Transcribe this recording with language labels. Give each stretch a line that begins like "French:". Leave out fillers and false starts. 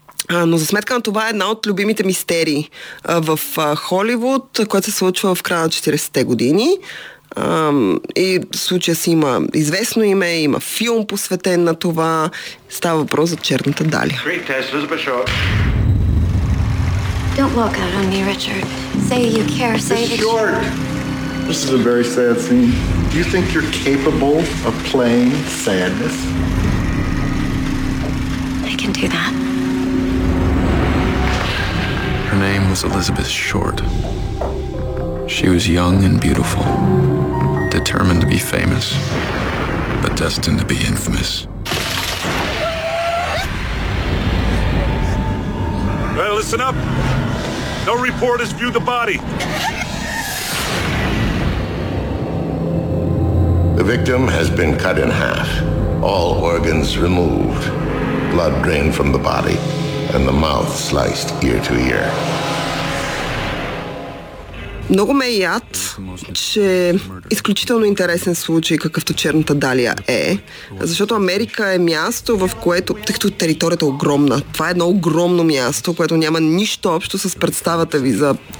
Bulgarian: Но за сметка на това е една от любимите мистерии в Холивуд, която се случва в края на 40-те години. И в случая си има известно име, има филм посветен на това. Става въпрос за Черната Далия.
English: Don't walk out on me, Richard. Say you care, say it. Short. This is a very sad scene. Do you think you're capable of playing sadness? I can do that. Her name was Elizabeth Short. She was young and beautiful, determined to be famous, but destined to be infamous. Well, listen up. No report has viewed the body. The victim has been cut in half, all organs removed, blood drained from the body, and the mouth sliced ear to ear.
Bulgarian: Много ме е яд, че изключително интересен случай, какъвто Черната Далия е, защото Америка е място, в което, тъй като територията е огромна, това е едно огромно място, което няма нищо общо с представата ви за...